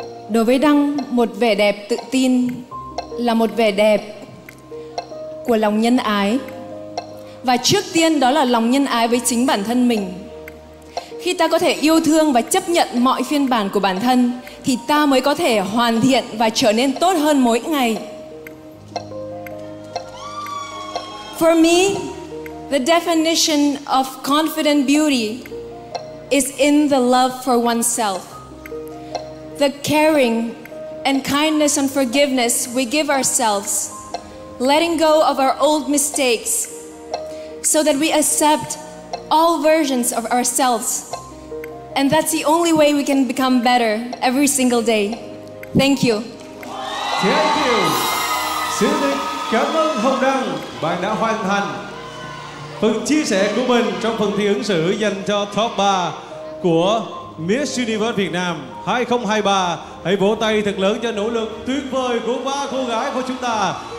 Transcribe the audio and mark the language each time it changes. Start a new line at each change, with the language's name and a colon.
Vietnamese: Đối với Đăng, một vẻ đẹp tự tin là một vẻ đẹp của lòng nhân ái. Và trước tiên đó là lòng nhân ái với chính bản thân mình. Khi ta có thể yêu thương và chấp nhận mọi phiên bản của bản thân thì ta mới có thể hoàn thiện và trở nên tốt hơn mỗi ngày.
English: For me, the definition of confident beauty is in the love for oneself. The caring and kindness and forgiveness we give ourselves, letting go of our old mistakes so that we accept all versions of ourselves. And that's the only way we can become better every single day. Thank you. Thank you.
Vietnamese: Xin được cảm ơn Hồng Đăng. Bạn đã hoàn thành phần chia sẻ của mình trong phần thi ứng xử dành cho top 3 của Miss Universe Việt Nam 2023. Hãy vỗ tay thật lớn cho nỗ lực tuyệt vời của ba cô gái của chúng ta.